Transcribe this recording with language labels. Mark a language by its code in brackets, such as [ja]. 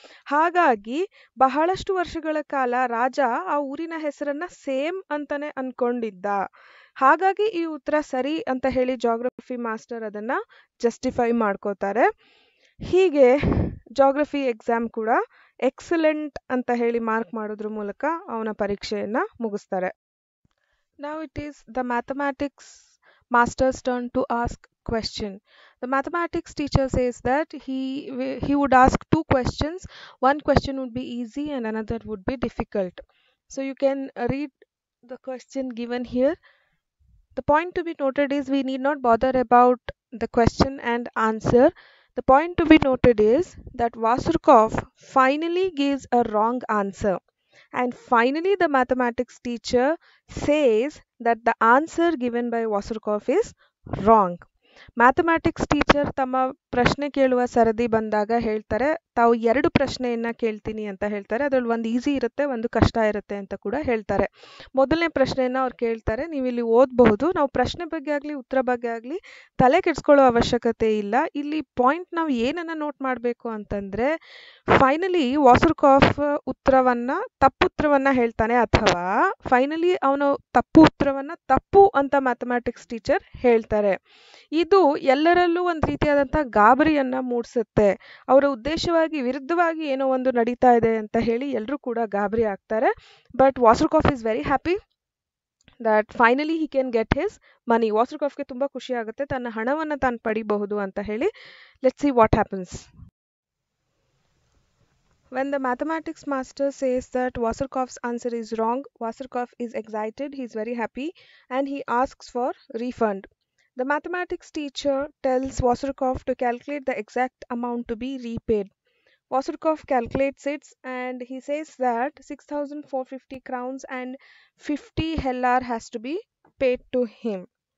[kn] ಹಾಗಾಗಿ ಬಹಳಷ್ಟು ವರ್ಷಗಳ ಕಾಲ ರಾಜ ಆ ಊರಿನ ಹೆಸರನ್ನು ಸೇಮ್ ಅಂತಲೇ ಅಂದ್ಕೊಂಡಿದ್ದ. ಹಾಗಾಗಿ ಈ ಉತ್ತರ ಸರಿ ಅಂತ ಹೇಳಿ ಜಿಯೋಗ್ರಫಿ ಮಾಸ್ಟರ್ ಅದನ್ನು ಜಸ್ಟಿಫೈ ಮಾಡ್ಕೋತಾರೆ. ಹೀಗೆ ಜಿಯೋಗ್ರಫಿ ಎಕ್ಸಾಮ್ ಕೂಡ ಎಕ್ಸಲೆಂಟ್ ಅಂತ ಹೇಳಿ ಮಾರ್ಕ್ ಮಾಡೋದ್ರ ಮೂಲಕ ಅವನ ಪರೀಕ್ಷೆಯನ್ನು ಮುಗಿಸ್ತಾರೆ. [en] Now it is the mathematics master's turn to ask question. The mathematics teacher says that he would ask two questions. One question would be easy and another would be difficult. So you can read the question given here. The point to be noted is we need not bother about the question and answer. The point to be noted is that Wasserkopf finally gives a wrong answer. And finally, the mathematics teacher says that the answer given by Wasserkopf is wrong. [kn] Mathematics teacher ತಮ್ಮ ಪ್ರಶ್ನೆ ಕೇಳುವ ಸರದಿ ಬಂದಾಗ ಹೇಳ್ತಾರೆ, ತಾವು ಎರಡು ಪ್ರಶ್ನೆಯನ್ನು ಕೇಳ್ತೀನಿ ಅಂತ ಹೇಳ್ತಾರೆ. ಅದರಲ್ಲಿ ಒಂದು ಈಸಿ ಇರುತ್ತೆ, ಒಂದು ಕಷ್ಟ ಇರುತ್ತೆ ಅಂತ ಕೂಡ ಹೇಳ್ತಾರೆ. ಮೊದಲನೇ ಪ್ರಶ್ನೆಯನ್ನು ಅವ್ರು ಕೇಳ್ತಾರೆ, ನೀವಿಲ್ಲಿ ಓದಬಹುದು. ನಾವು ಪ್ರಶ್ನೆ ಬಗ್ಗೆ ಆಗಲಿ ಉತ್ತರ ಬಗ್ಗೆ ಆಗಲಿ ತಲೆ ಕೆಡಿಸ್ಕೊಳ್ಳೋ ಅವಶ್ಯಕತೆ ಇಲ್ಲ. ಇಲ್ಲಿ ಪಾಯಿಂಟ್ ನಾವು ಏನನ್ನು ನೋಟ್ ಮಾಡಬೇಕು ಅಂತಂದರೆ, ಫೈನಲಿ ವಾಸರ್ಕಾಫ್ ಉತ್ತರವನ್ನು ತಪ್ಪು ಉತ್ತರವನ್ನು ಹೇಳ್ತಾನೆ, ಅಥವಾ ಫೈನಲಿ ಅವನು ತಪ್ಪು ಉತ್ತರವನ್ನು ತಪ್ಪು ಅಂತ ಮ್ಯಾಥಮೆಟಿಕ್ಸ್ ಟೀಚರ್ ಹೇಳ್ತಾರೆ. ಇದು ಎಲ್ಲರಲ್ಲೂ ಒಂದು ರೀತಿಯಾದಂಥ ಗಾಬರಿಯನ್ನು ಮೂಡಿಸುತ್ತೆ. ಅವರ ಉದ್ದೇಶವಾಗಿ ವಿರುದ್ಧವಾಗಿ ಏನೋ ಒಂದು ನಡೀತಾ ಇದೆ ಅಂತ ಹೇಳಿ ಎಲ್ಲರೂ ಕೂಡ ಗಾಬರಿ ಆಗ್ತಾರೆ. [en] But Wasserkopf is very happy that finally he can get his money. [kn] ವಾಸರ್ಕಾಫ್ಗೆ ತುಂಬ ಖುಷಿಯಾಗುತ್ತೆ, ತನ್ನ ಹಣವನ್ನು ತಾನು ಪಡಿಬಹುದು ಅಂತ ಹೇಳಿ. [en] Let's see what happens. When the mathematics master says that Wasserkopf's answer is wrong, Wasserkopf is excited, he's very happy, and he asks for refund. The mathematics teacher tells Wasserkopf to calculate the exact amount to be repaid. Wasserkopf calculates it and he says that 6450 crowns and 50 heller has to be paid to him.